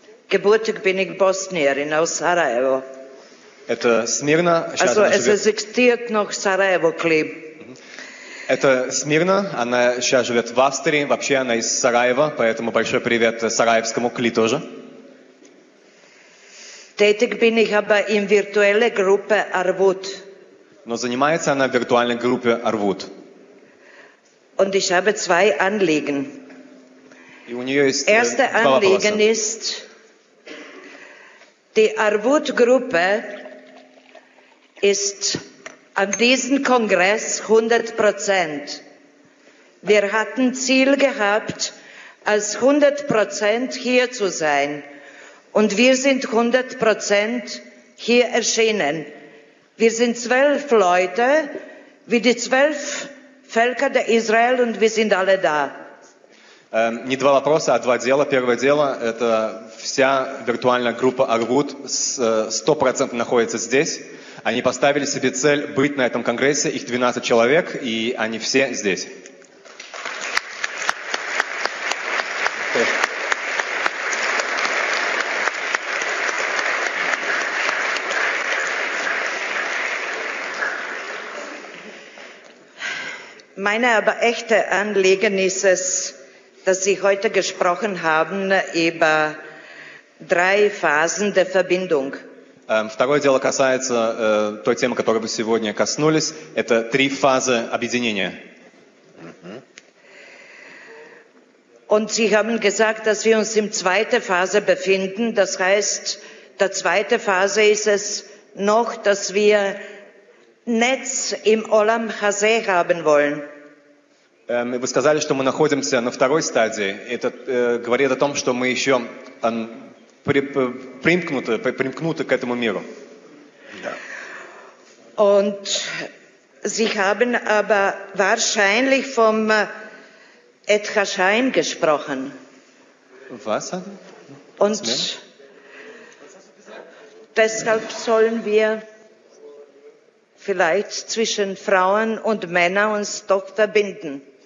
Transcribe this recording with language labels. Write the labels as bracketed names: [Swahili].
[German] Geburtig bin ich Bosnierin aus Sarajevo. [Russian] Это Смирна. [German] Also, es existiert noch Sarajevo-Klee. [Russian] Это Смирна, она сейчас живет в Австрии, вообще она из Сараева, поэтому большой привет сараевскому Кли тоже. [German] Tätig bin ich aber in virtuelle Gruppe Arvut. [Russian] Но занимается она в виртуальной группе Arvut. [German] Und ich habe zwei Anliegen. [Russian] И у нее есть [German] Erste [Russian] два [German] Anliegen Ist die Arvut Gruppe ist an diesem Kongress 100%. Wir hatten Ziel gehabt, als 100% hier zu sein. Und wir sind 100% hier erschienen. Wir sind 12 Leute, wie die 12 Völker der Israel, und wir sind alle da. [Russian] Не два вопроса, а два дела. Первое дело, это вся виртуальная группа Arvut 100% находится здесь. Они поставили себе цель быть на этом конгрессе. Их 12 человек, и они все здесь. [German] Meine aber echte Anliegen ist es, dass Sie heute gesprochen haben über drei Phasen der Verbindung. [Russian] Второе дело касается той темы, которой вы сегодня коснулись. Это три фазы объединения. [German] Und Sie haben gesagt, dass wir uns in zweiter Phase befinden. Das heißt, der zweite Phase ist es noch, dass wir Netz im Olam Hazeh haben wollen. [Russian] Вы сказали, что мы находимся на второй стадии. Это говорит о том, что мы еще примкнуты к этому миру. [German] Und Sie haben aber wahrscheinlich vom Et Hashem gesprochen. Was? Und deshalb sollen wir vielleicht zwischen Frauen und Männern uns doch verbinden.